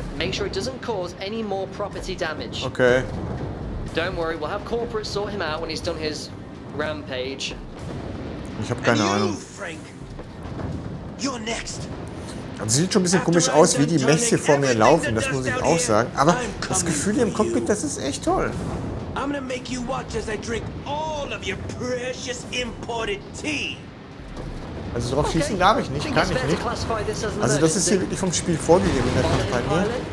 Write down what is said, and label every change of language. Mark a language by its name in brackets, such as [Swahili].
[English] Make sure it doesn't cause any more property damage. Okay. Don't worry, we'll have corporate sort him out when he's done his rampage. [German] Ich habe keine Ahnung. [English] Frank, you're next. [German] Das sieht schon ein bisschen komisch aus, wie die Mächte vor mir laufen, das muss ich auch sagen. Aber das Gefühl hier im Cockpit, das ist echt toll. [English] I'm gonna make you watch as I drink all of your precious imported tea. [German] Also drauf schießen darf ich nicht, kann ich nicht. Also das ist hier wirklich vom Spiel vorgegeben in der Kampagne.